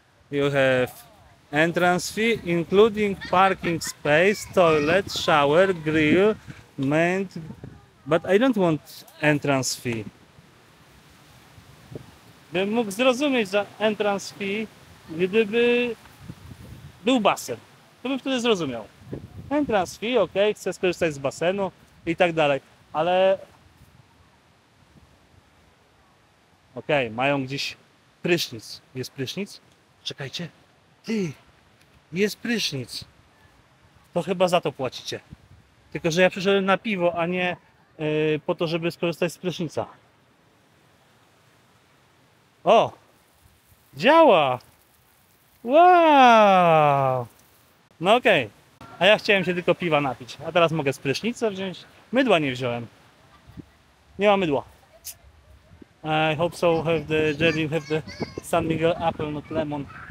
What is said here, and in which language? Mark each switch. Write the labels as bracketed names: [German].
[English] You have entrance fee, including parking space, toilet, shower, grill, main. But I don't want entrance fee. [Polish] Bym mógł zrozumieć za entrance fee, gdyby był basen, to bym wtedy zrozumiał. Entrance fee, okej, okay, chcę skorzystać z basenu i tak dalej, ale... Okej, okay, mają gdzieś prysznic. Jest prysznic? Czekajcie. Ty, jest prysznic. To chyba za to płacicie. Tylko, że ja przyszedłem na piwo, a nie po to, żeby skorzystać z prysznica. O! Działa! Wow! No okej. Okay. A ja chciałem się tylko piwa napić. A teraz mogę z prysznica wziąć. Mydła nie wziąłem. Nie ma mydła. [English] I hope so, Jerry, you have the San Miguel apple, not lemon.